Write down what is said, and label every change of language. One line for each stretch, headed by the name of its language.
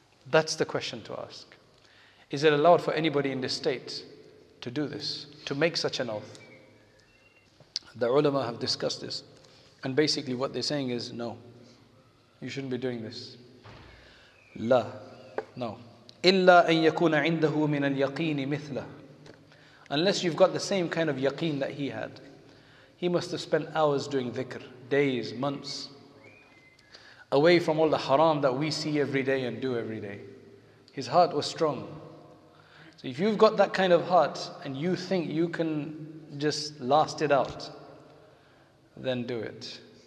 English: That's the question to ask. Is it allowed for anybody in this state to do this, to make such an oath? The ulama have discussed this. And basically what they're saying is, no, you shouldn't be doing this.
Arabic: لا,
English: no.
Arabic: إلا أن يكون عنده من اليقين مثله.
English: Unless you've got the same kind of yaqeen that he had. He must have spent hours doing dhikr, days, months, away from all the haram that we see every day and do every day. His heart was strong. So if you've got that kind of heart and you think you can just last it out, then do it.